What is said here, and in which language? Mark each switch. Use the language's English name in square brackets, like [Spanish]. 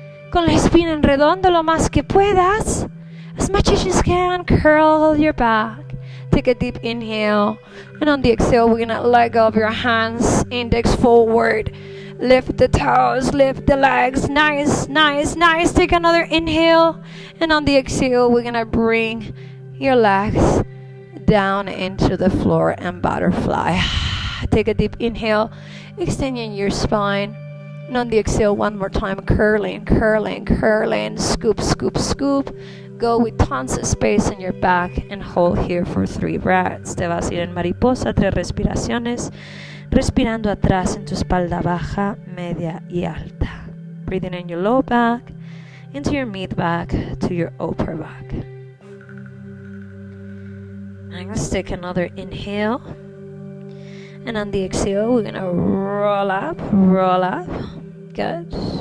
[Spanish] Con la espina en redondo lo más que puedas. [English] As much as you can, curl your back. Take a deep inhale, and on the exhale, we're gonna let go of your hands, index forward, lift the toes, lift the legs, nice, nice, nice. Take another inhale, and on the exhale, we're gonna bring your legs down into the floor and butterfly. Take a deep inhale, extending your spine, and on the exhale, one more time, curling, curling, curling, scoop, scoop, scoop. Go with tons of space in your back and hold here for 3 breaths. [Spanish] Te vas a ir en mariposa, 3 respiraciones. Respirando atrás en tu espalda baja, media y alta. [English] Breathing in your low back, into your mid back, to your upper back. Next, take another inhale. And on the exhale, we're going to roll up, roll up. Good.